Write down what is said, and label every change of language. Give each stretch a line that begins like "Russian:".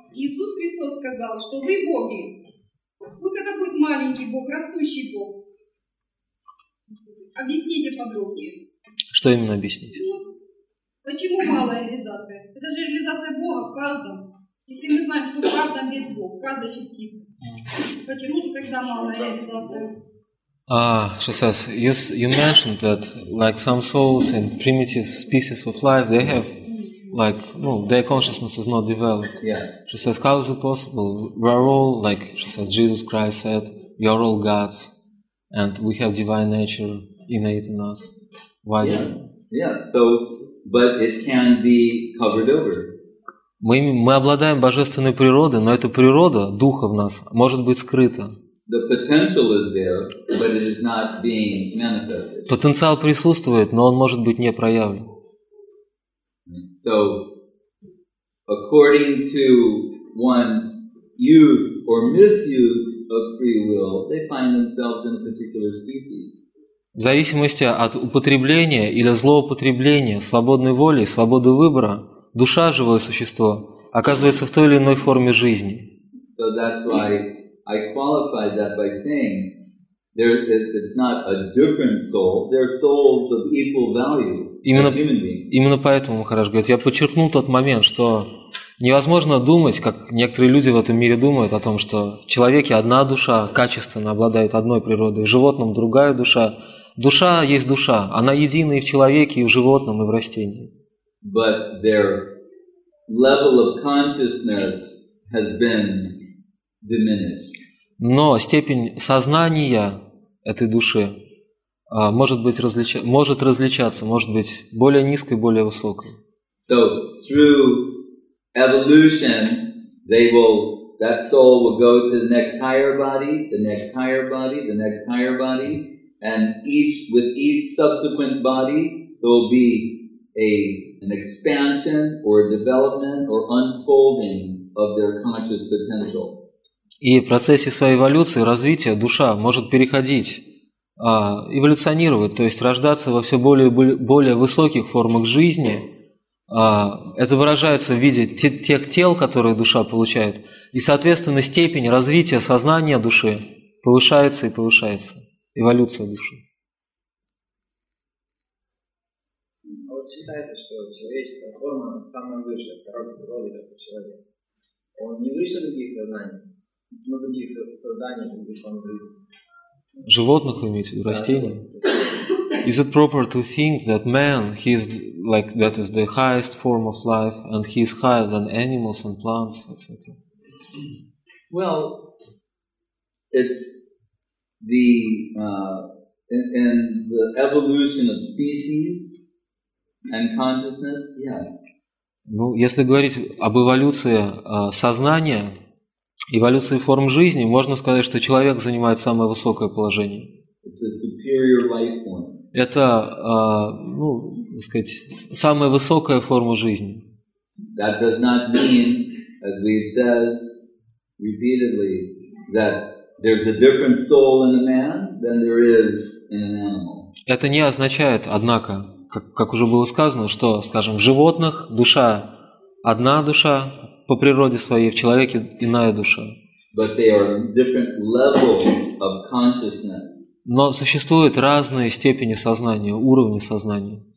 Russian: Иисус Христос сказал, что вы боги. Пусть это будет маленький Бог, растущий Бог. Объясните подробнее. Что именно объяснить? Почему мало реализация? Это же реализация Бога в каждом. Если мы знаем, что в каждом есть Бог, в каждой частице. Почему же тогда мало реализация?
English: Шасас, you mentioned that like some souls and primitive species of life, they have like, no, their consciousness is not developed. Yeah. She says, how is it possible? We're all, like she says, Jesus Christ said, we are all gods and we have divine nature innate in us. Why? So, but it can be covered over.
Russian: Мы обладаем божественной природой, но эта природа, духа в нас, может быть скрыта.
English: The potential is there, but it is not being manifested.
Russian: Потенциал присутствует, но он может быть не проявлен.
English: So, according to one's use or misuse of free will, they find themselves in a particular species.
Russian: В зависимости от употребления или злоупотребления свободной волей, свободы выбора, душа, живое существо, оказывается в той или иной форме жизни.
English: So that's why I qualified that by saying there it's not a different soul, there are souls of equal value.
Russian: Именно поэтому Махарадж говорит, я подчеркнул тот момент, что невозможно думать, как некоторые люди в этом мире думают, о том, что в человеке одна душа качественно обладает одной природой, в животном другая душа. Душа есть душа, она едина и в человеке, и в животном, и в растении.
English: But their level of consciousness has been diminished.
Russian: Но степень сознания этой души может различаться, может быть более низкой, более высокой.
English: So through evolution, that soul will go to the next higher body, the next higher body, the next higher body, and with each subsequent body, there will be an expansion or development or unfolding of their conscious potential.
Russian: И в процессе своей эволюции, развития душа может переходить. Эволюционировать, то есть рождаться во все более более высоких формах жизни, это выражается в виде тех тел, которые душа получает, и, соответственно, степень развития сознания души повышается и повышается, эволюция души. А вот считается, что человеческая форма самая высшая, короткая природа, как у человека. Он не выше других сознаний, но других созданий, других форм жизни. Животных имеете в виду, растения?
English: Is it proper to think that man, he is like that is the highest form of life, and he is higher than animals and plants, etc.? Well, it's the in the evolution of species and consciousness, yes.
Russian: Ну, если говорить об эволюции сознания. Эволюции форм жизни, можно сказать, что человек занимает самое высокое положение.
English: It's a superior life form.
Russian: Это, ну, так сказать, самая высокая форма жизни.
English: That does not mean, as we've said repeatedly, that there's a different soul in a man than there is in an animal.
Russian: Это не означает, однако, как уже было сказано, что, скажем, в животных душа одна душа. По природе своей в человеке иная душа.
English: But they are different levels of consciousness.
Russian: Но существуют разные степени сознания, уровни сознания.